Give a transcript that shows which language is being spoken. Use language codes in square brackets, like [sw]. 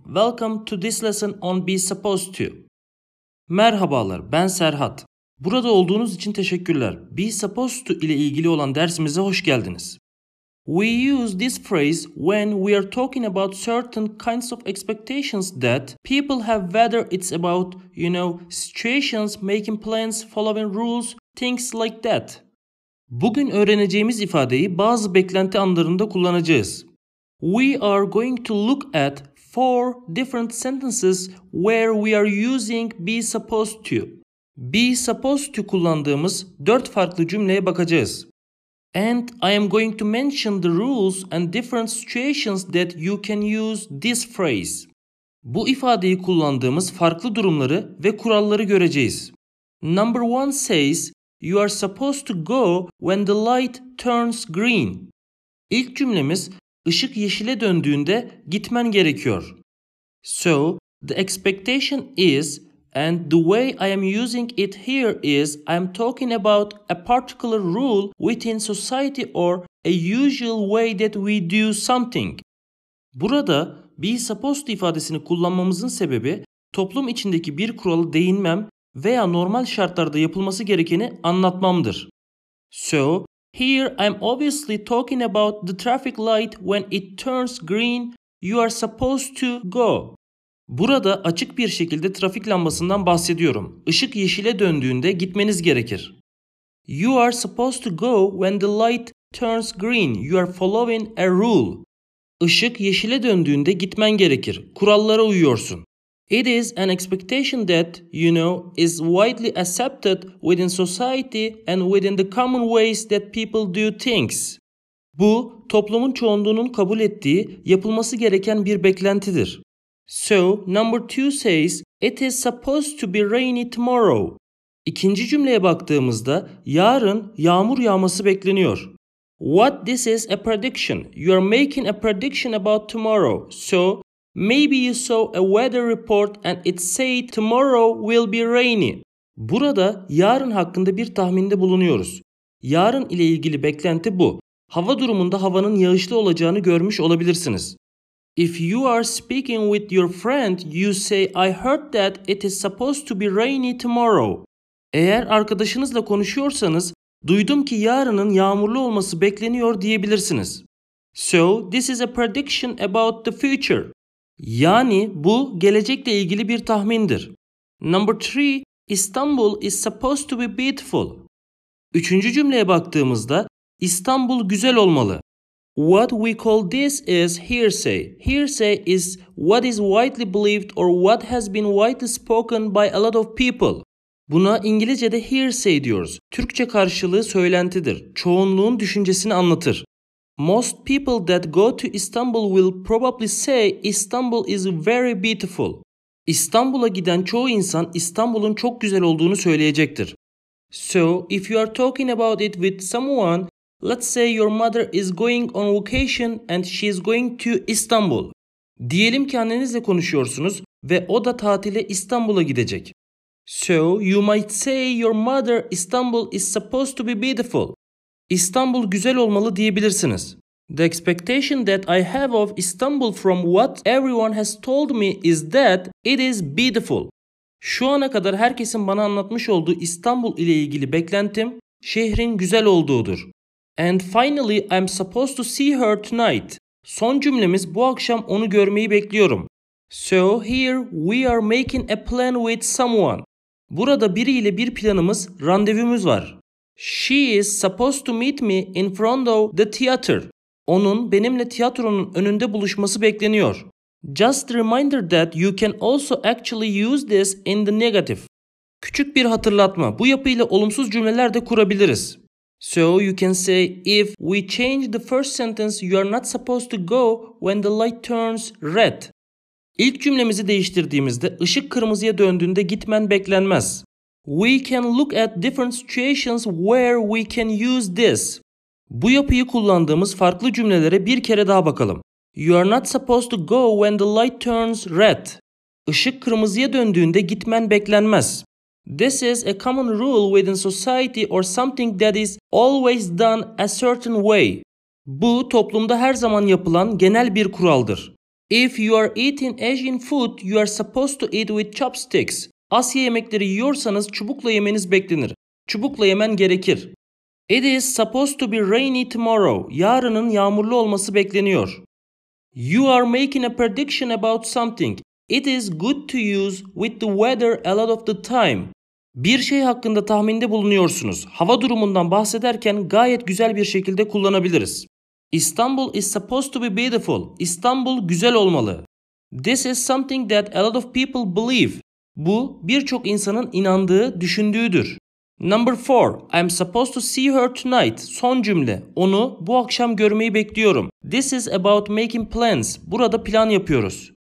[en] Welcome to this lesson on be supposed to. [tr] Merhabalar, ben Serhat. Burada olduğunuz için teşekkürler. Be supposed to ile ilgili olan dersimize hoş geldiniz. [en] We use this phrase when we are talking about certain kinds of expectations that people have, whether it's about, you know, situations, making plans, following rules, things like that. [tr] Bugün öğreneceğimiz ifadeyi bazı beklenti anlarında kullanacağız. [en] We are going to look at four different sentences where we are using be supposed to. [tr] Be supposed to kullandığımız dört farklı cümleye bakacağız. [en] And I am going to mention the rules and different situations that you can use this phrase. [tr] Bu ifadeyi kullandığımız farklı durumları ve kuralları göreceğiz. [en] Number one says, you are supposed to go when the light turns green. [tr] İlk cümlemiz, Işık yeşile döndüğünde gitmen gerekiyor. [en] So, the expectation is, and the way I am using it here is, I am talking about a particular rule within society or a usual way that we do something. [tr] Burada be supposed ifadesini kullanmamızın sebebi, toplum içindeki bir kurala değinmem veya normal şartlarda yapılması gerekeni anlatmamdır. [en] So, here I'm obviously talking about the traffic light when it turns green, you are supposed to go. [tr] Burada açık bir şekilde trafik lambasından bahsediyorum. Işık yeşile döndüğünde gitmeniz gerekir. [en] You are supposed to go when the light turns green, you are following a rule. [tr] Işık yeşile döndüğünde gitmen gerekir. Kurallara uyuyorsun. [en] It is an expectation that, you know, is widely accepted within society and within the common ways that people do things. [tr] Bu, toplumun çoğunluğunun kabul ettiği, yapılması gereken bir beklentidir. [en] So, number two says, it is supposed to be rainy tomorrow. [tr] İkinci cümleye baktığımızda, yarın yağmur yağması bekleniyor. [en] What this is a prediction. You are making a prediction about tomorrow. So, maybe you saw a weather report and it said tomorrow will be rainy. [tr] Burada yarın hakkında bir tahminde bulunuyoruz. Yarın ile ilgili beklenti bu. Hava durumunda havanın yağışlı olacağını görmüş olabilirsiniz. [en] If you are speaking with your friend, you say I heard that it is supposed to be rainy tomorrow. [tr] Eğer arkadaşınızla konuşuyorsanız, duydum ki yarının yağmurlu olması bekleniyor diyebilirsiniz. [en] So this is a prediction about the future. [tr] Yani bu gelecekle ilgili bir tahmindir. [en] Number three, İstanbul is supposed to be beautiful. [tr] Üçüncü cümleye baktığımızda İstanbul güzel olmalı. [en] What we call this is hearsay. Hearsay is what is widely believed or what has been widely spoken by a lot of people. [tr] Buna İngilizce'de hearsay diyoruz. Türkçe karşılığı söylentidir. Çoğunluğun düşüncesini anlatır. [en] Most people that go to Istanbul will probably say Istanbul is very beautiful. [tr] İstanbul'a giden çoğu insan İstanbul'un çok güzel olduğunu söyleyecektir. [en] So, if you are talking about it with someone, let's say your mother is going on vacation and she is going to Istanbul. [tr] Diyelim ki annenizle konuşuyorsunuz ve o da tatile İstanbul'a gidecek. [en] So, you might say your mother Istanbul is supposed to be beautiful. [tr] İstanbul güzel olmalı diyebilirsiniz. [en] The expectation that I have of Istanbul from what everyone has told me is that it is beautiful. [tr] Şu ana kadar herkesin bana anlatmış olduğu İstanbul ile ilgili beklentim şehrin güzel olduğudur. [en] And finally I'm supposed to see her tonight. [tr] Son cümlemiz bu akşam onu görmeyi bekliyorum. [en] So here we are making a plan with someone. [tr] Burada biriyle bir planımız, randevumuz var. [en] She is supposed to meet me in front of the theater. [tr] Onun benimle tiyatronun önünde buluşması bekleniyor. [en] Just a reminder that you can also actually use this in the negative. [tr] Küçük bir hatırlatma. Bu yapıyla olumsuz cümleler de kurabiliriz. [en] So you can say if we change the first sentence, you are not supposed to go when the light turns red. [tr] İlk cümlemizi değiştirdiğimizde ışık kırmızıya döndüğünde gitmen beklenmez. [en] We can look at different situations where we can use this. [tr] Bu yapıyı kullandığımız farklı cümlelere bir kere daha bakalım. [en] You are not supposed to go when the light turns red. [tr] Işık kırmızıya döndüğünde gitmen beklenmez. [en] This is a common rule within society or something that is always done a certain way. [tr] Bu toplumda her zaman yapılan genel bir kuraldır. [en] If you are eating Asian food, you are supposed to eat with chopsticks. [tr] Asya yemekleri yiyorsanız çubukla yemeniz beklenir. Çubukla yemen gerekir. [en] It is supposed to be rainy tomorrow. [tr] Yarının yağmurlu olması bekleniyor. [en] You are making a prediction about something. It is good to use with the weather a lot of the time. [tr] Bir şey hakkında tahminde bulunuyorsunuz. Hava durumundan bahsederken gayet güzel bir şekilde kullanabiliriz. [en] İstanbul is supposed to be beautiful. [tr] İstanbul güzel olmalı. [en] This is something that a lot of people believe. [tr] Bu birçok insanın inandığı, düşündüğüdür. [en] Number 4. I'm supposed to see her tonight. [tr] Son cümle. Onu bu akşam görmeyi bekliyorum. [en] This is about making plans. [tr] Burada plan yapıyoruz.